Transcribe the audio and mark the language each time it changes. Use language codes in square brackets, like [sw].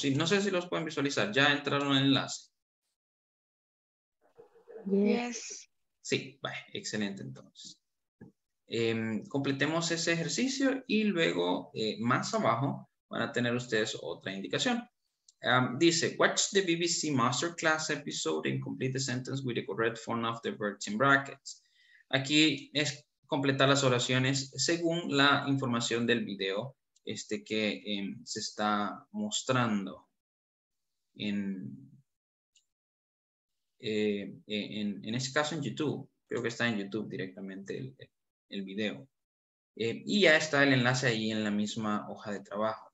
[es] Sí, no sé si los pueden visualizar. Ya entraron en el enlace. [en] Yes. [es] Sí, vale, excelente entonces. Completemos ese ejercicio y luego más abajo van a tener ustedes otra indicación. Dice, [en] watch the BBC Masterclass episode and complete the sentence with the correct form of the verbs in brackets. [es] Aquí es completar las oraciones según la información del video este que se está mostrando en este caso en YouTube. Creo que está en YouTube directamente el video. Y ya está el enlace ahí en la misma hoja de trabajo.